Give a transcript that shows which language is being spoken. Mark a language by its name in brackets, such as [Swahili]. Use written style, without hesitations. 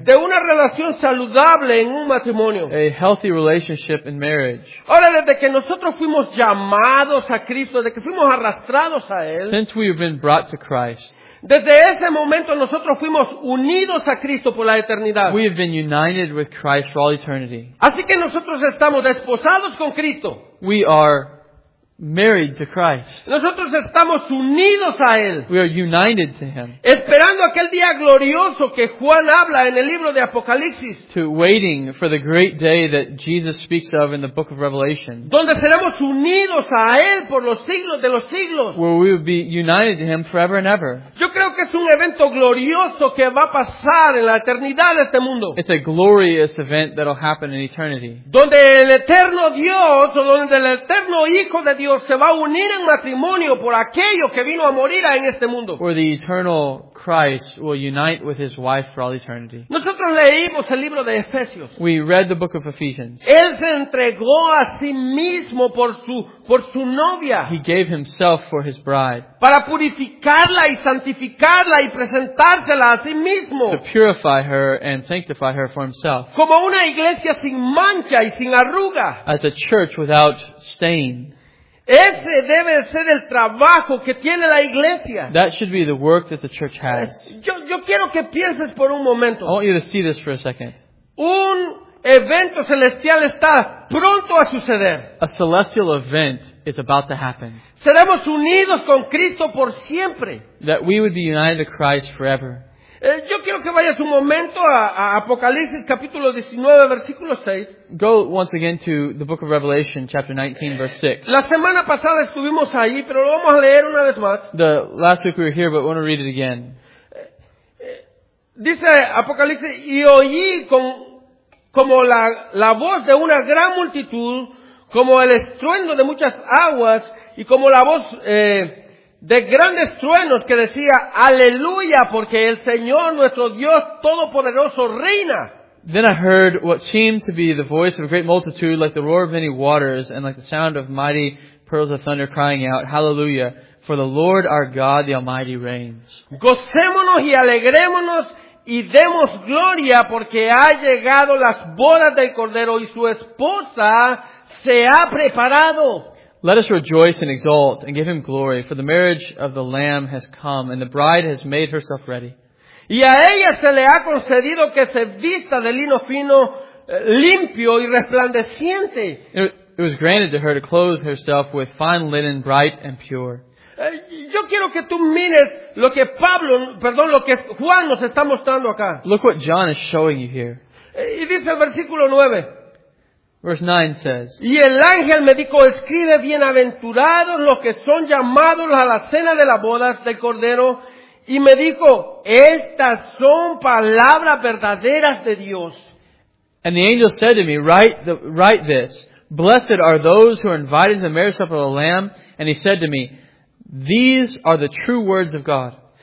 [Spanish] De una relación saludable en un matrimonio. [English] A healthy relationship in marriage. [Spanish] Ahora, desde que nosotros fuimos llamados a Cristo, desde que fuimos arrastrados a él. [English] Since we have been brought to Christ. [Spanish] Desde ese momento nosotros fuimos unidos a Cristo por la eternidad. [English] We have been united with Christ for all eternity. [Spanish] Así que nosotros estamos desposados con Cristo. [English] We are married to Christ. [Spanish] Nosotros estamos unidos a Él. [English] We are united to Him. [Spanish] Esperando aquel día glorioso que Juan habla en el libro de Apocalipsis. [English] To waiting for the great day that Jesus speaks of in the book of Revelation. [Spanish] Donde seremos unidos a Él por los siglos de los siglos. [English] Where we will be united to Him forever and ever. [Spanish] Yo creo que es un evento glorioso que va a pasar en la eternidad de este mundo. [English] It's a glorious event that will happen in eternity. [Spanish] Donde el eterno Dios o donde el eterno Hijo de Dios se va a unir en matrimonio por aquello que vino a morir en este mundo. [English] Where the eternal Christ will unite with his wife for all eternity. [Spanish] Nosotros leímos el libro de Efesios. [English] We read the book of Ephesians. [Spanish] Él se entregó a sí mismo por su novia. [English] He gave himself for his bride. [Spanish] Para purificarla y santificarla y presentársela a sí mismo. [English] To purify her and sanctify her for himself. [Spanish] Como una iglesia sin mancha y sin arruga. [English] As a church without stain. [Spanish] Ese debe ser el trabajo que tiene la iglesia. [English] That should be the work that the church has. [Spanish] Yo quiero que pienses por un momento. [English] I want you to see this for a second. [Spanish] Un evento celestial está pronto a suceder. [English] A celestial event is about to happen. [Spanish] Seremos unidos con Cristo por siempre. [English] That we would be united to Christ forever. [Spanish] Yo quiero que vayas un momento a Apocalipsis capítulo 19 versículo 6. [English] Go once again to the book of Revelation chapter 19 verse 6. [Spanish] La semana pasada estuvimos ahí, pero lo vamos a leer una vez más. [English] The last week we were here, but we want to read it again. [Spanish] Dice Apocalipsis, y oí como la voz de una gran multitud, como el estruendo de muchas aguas, y como la voz de grandes truenos que decía, Aleluya, porque el Señor nuestro Dios Todopoderoso reina. [English] Then I heard what seemed to be the voice of a great multitude, like the roar of many waters, and like the sound of mighty pearls of thunder crying out, Hallelujah, for the Lord our God the Almighty reigns. [Spanish] Gocémonos y alegrémonos y demos gloria, porque ha llegado las bodas del Cordero y su esposa se ha preparado. [English] Let us rejoice and exult and give him glory, for the marriage of the Lamb has come and the bride has made herself ready. [Spanish] Y a ella se le ha concedido que se vista de lino fino, limpio y resplandeciente. [English] It was granted to her to clothe herself with fine linen, bright and pure. [Spanish] Yo quiero que tú mires lo que Juan nos está mostrando acá. [English] Look what John is showing you here. [Spanish] Y dice el versículo 9. [English] Verse 9 says, [Spanish] y el ángel me dijo, escribe, bienaventurados los que son llamados a la cena de las bodas del Cordero. Y me dijo, estas son palabras verdaderas de Dios. [English] And the angel said to me, write this, "Blessed are those who are invited to the marriage supper of the Lamb." And he said to me, "These are the true words of God."